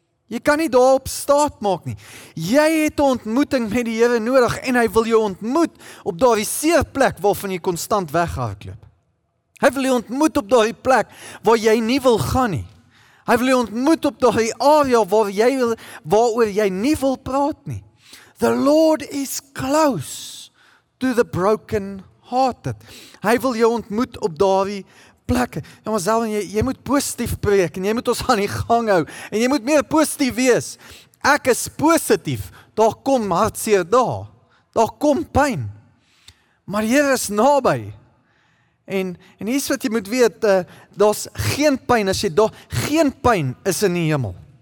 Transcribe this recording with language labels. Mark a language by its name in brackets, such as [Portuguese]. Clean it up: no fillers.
[Afrikaans] Jy kan nie daarop staat maak nie. Jy het 'n ontmoeting met die Here nodig en hy wil jou ontmoet op daardie seerplek waarvan jy konstant weghardloop. Hy wil jou ontmoet op daardie plek waar jy nie wil gaan nie. Hy wil jou ontmoet op daardie area waaroor jy nie wil praat nie. [English] The Lord is close to the broken hearted. [Afrikaans] Hy wil jou ontmoet op daardie plekke. Ja, maar Zel, jy moet positief preek en jy moet ons aan die gang hou en jy moet meer positief wees. Ek is positief, daar kom hartseer daar. Daar kom pyn. Maar hier is naby. En hier is wat jy moet weet, daar's geen pyn as jy daar, geen pyn is in die hemel.